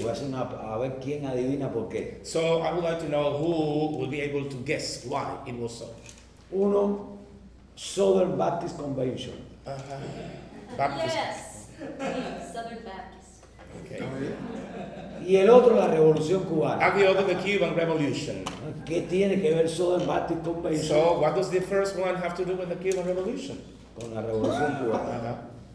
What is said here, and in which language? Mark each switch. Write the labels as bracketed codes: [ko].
[es] Voy a hacer una, a ver quién adivina por qué. [en] So I would like to know who will be able to guess why it was so. [es] Uno, Southern Baptist Convention. [en] Baptist. Yes, Southern Baptist. Okay. [es] Y el otro, la Revolución Cubana. [en] And the other, the Cuban Revolution. [es] ¿Qué tiene que ver Southern Baptist Convention? [en] So, what does the first one have to do with the Cuban Revolution? [es] Con la Revolución Cubana.